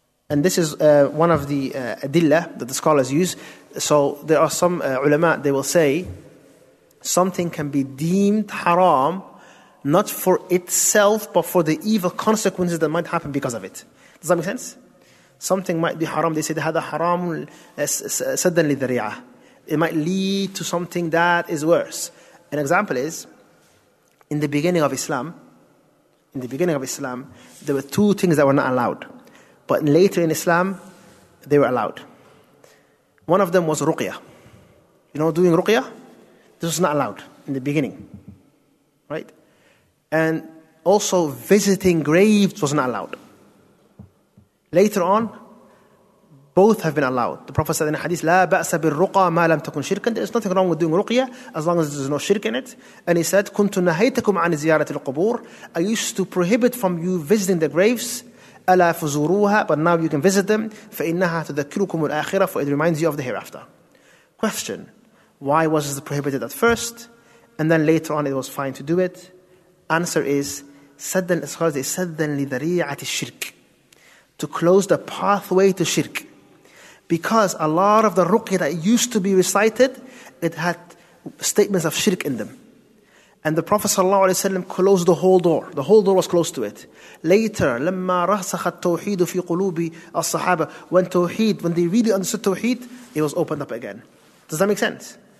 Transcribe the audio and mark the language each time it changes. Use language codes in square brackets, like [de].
[en] And this is one of the adillah that the scholars use. So there are some ulama, they will say, something can be deemed haram, not for itself, but for the evil consequences that might happen because of it. Does that make sense? Something might be haram. They say, [ar] هذا حرام سدًا للذريعة. [en] It might lead to something that is worse. An example is, in the beginning of Islam, there were two things that were not allowed. But later in Islam, they were allowed. One of them was ruqya. You know, doing ruqya? This was not allowed in the beginning. Right? And also visiting graves was not allowed. Later on, both have been allowed. The Prophet said in a hadith, [ar] لا بأس بالرقى ما لم تكن شركا. [en] There's nothing wrong with doing ruqya as long as there's no shirk in it. And he said, [ar] كنت نهيتكم عن زيارة القبور. [en] I used to prohibit from you visiting the graves. [ar] ألا فزوروها. [en] But now you can visit them. [ar] فإنها تذكركم الآخرة. [en] For it reminds you of the hereafter. Question. Why was it prohibited at first? And then later on it was fine to do it. Answer is, [ar] سدًا لذريعة الشرك. [en] To close the pathway to shirk. Because a lot of the ruqya that used to be recited, it had statements of shirk in them. And the Prophet sallallahu alaihi wasallam closed the whole door. The whole door was closed to it. Later, [ar] لما رسخ التوحيد في قلوب الصحابة, [en] when they really understood tawheed, it was opened up again. Does that make sense?